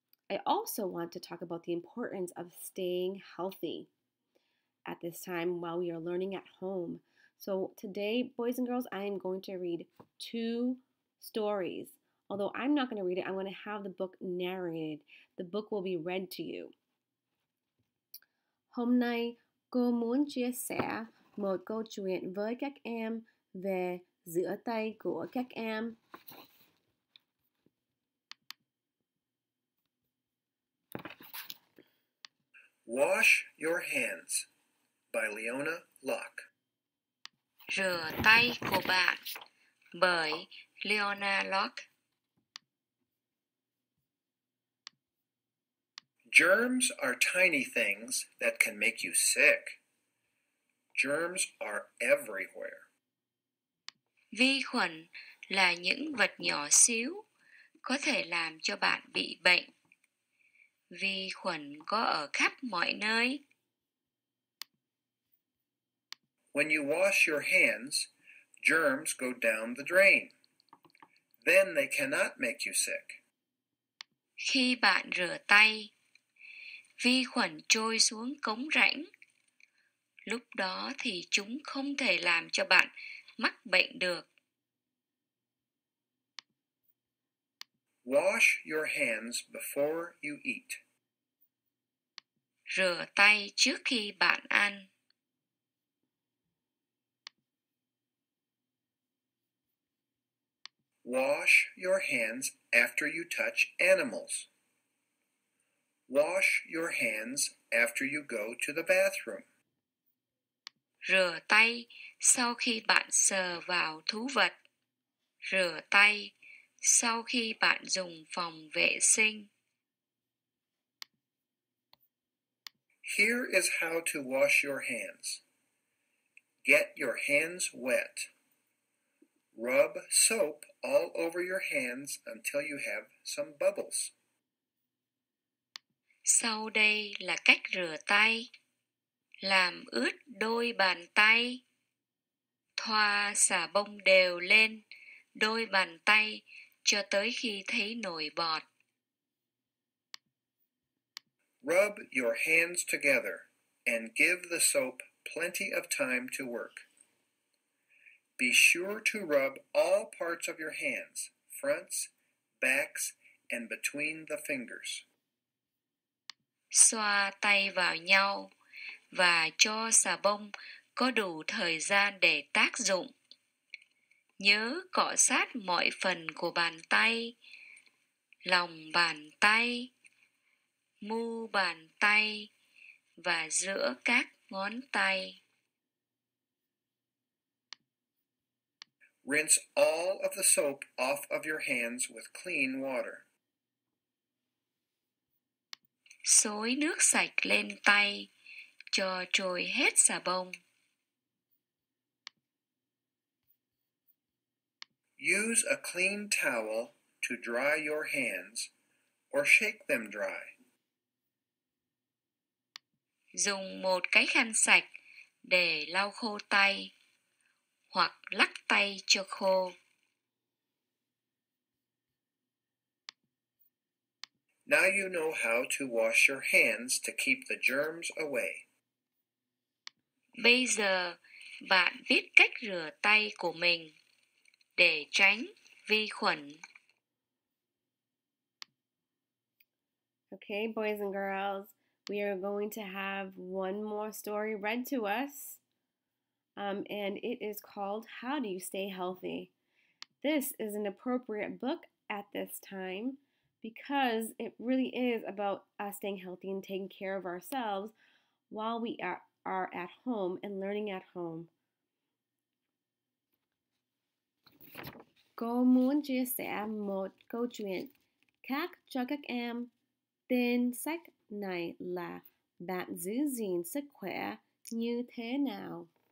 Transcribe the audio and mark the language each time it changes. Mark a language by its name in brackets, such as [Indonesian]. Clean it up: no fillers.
[English] I also want to talk about the importance of staying healthy at this time while we are learning at home. So today, boys and girls, I am going to read two stories. Although I'm not going to read it, I'm going to have the book narrated. The book will be read to you. [Vietnamese] Hôm nay, cô muốn chia sẻ một câu chuyện với các em về rửa tay của các em. [English] Wash Your Hands by Leona Locke. [Vietnamese] Rửa tay của bạn bởi Leona Locke. [English] Germs are tiny things that can make you sick. Germs are everywhere. [Vietnamese] Vi khuẩn là những vật nhỏ xíu có thể làm cho bạn bị bệnh. Vi khuẩn có ở khắp mọi nơi. [English] When you wash your hands, germs go down the drain. Then they cannot make you sick. [Vietnamese] Khi bạn rửa tay, vi khuẩn trôi xuống cống rãnh. Lúc đó thì chúng không thể làm cho bạn mắc bệnh được. [English] Wash your hands before you eat. [Vietnamese] Rửa tay trước khi bạn ăn. [English] Wash your hands after you touch animals. Wash your hands after you go to the bathroom. [Vietnamese] Rửa tay sau khi bạn sờ vào thú vật. Rửa tay sau khi bạn dùng phòng vệ sinh. [English] Here is how to wash your hands. Get your hands wet. Rub soap all over your hands until you have some bubbles. [Vietnamese] Sau đây là cách rửa tay. Làm ướt đôi bàn tay. Thoa xà bông đều lên đôi bàn tay cho tới khi thấy nổi bọt. [English] Rub your hands together and give the soap plenty of time to work. Be sure to rub all parts of your hands, fronts, backs, and between the fingers. [Vietnamese] Xoa tay vào nhau và cho xà bông có đủ thời gian để tác dụng. Nhớ cọ sát mọi phần của bàn tay, lòng bàn tay, mu bàn tay và giữa các ngón tay. [English] Rinse all of the soap off of your hands with clean water. [Vietnamese] Xối nước sạch lên tay cho trôi hết xà bông. [English] Use a clean towel to dry your hands or shake them dry. [Vietnamese] Dùng một cái khăn sạch để lau khô tay hoặc lắc tay cho khô. [English] Now you know how to wash your hands to keep the germs away. [Vietnamese] Bây giờ bạn biết cách rửa tay của mình để tránh vi khuẩn. [English] Okay, boys and girls. We are going to have one more story read to us, and it is called How Do You Stay Healthy? This is an appropriate book at this time because it really is about us staying healthy and taking care of ourselves while we are at home and learning at home. [Vietnamese] Cô muốn chia sẻ một câu chuyện khác cho các em. Tên sách này là Bạn giữ gìn sức khỏe như thế nào?